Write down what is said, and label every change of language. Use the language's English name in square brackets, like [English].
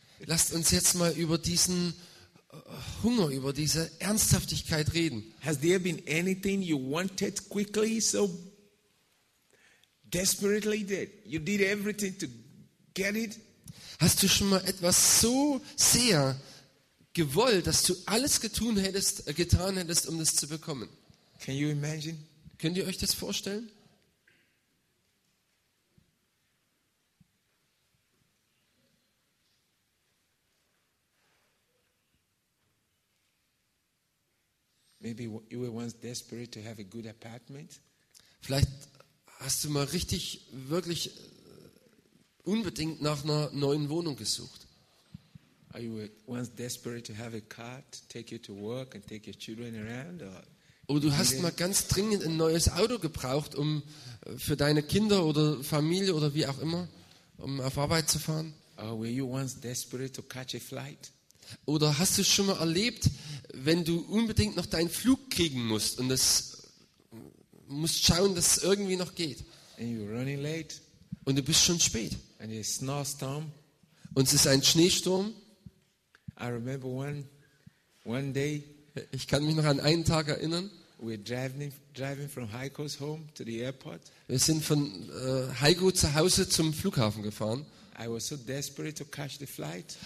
[German] Lasst uns jetzt mal über diesen Hunger, über diese Ernsthaftigkeit reden. [English] Has there been anything you wanted quickly, so desperately that you did everything to get it? [German] Hast du schon mal etwas so sehr gewollt, dass du alles getan hättest, um das zu bekommen? [English] Can you imagine? [German] Könnt ihr euch das vorstellen? [English] Maybe you were once desperate to have a good apartment. [German] Vielleicht hast du mal richtig, wirklich unbedingt nach einer neuen Wohnung gesucht. [English] Are you once desperate to have a car to take you to work and take your children around? [German] Oh, du hast mal ganz dringend ein neues Auto gebraucht, um für deine Kinder oder Familie oder wie auch immer, um auf Arbeit zu fahren. [English] Were you once desperate to catch a flight? [German] Oder hast du es schon mal erlebt, wenn du unbedingt noch deinen Flug kriegen musst und es musst schauen, dass es irgendwie noch geht? [English] And you're running late. [German] Und du bist schon spät. [English] And it's a snowstorm. [German] Und es ist ein Schneesturm. [English] I remember one day, [German] ich kann mich noch an einen Tag erinnern. [English] We're driving from Heiko's home to the airport. [German] Wir sind von Heiko zu Hause zum Flughafen gefahren. [English] I was so desperate to catch the flight.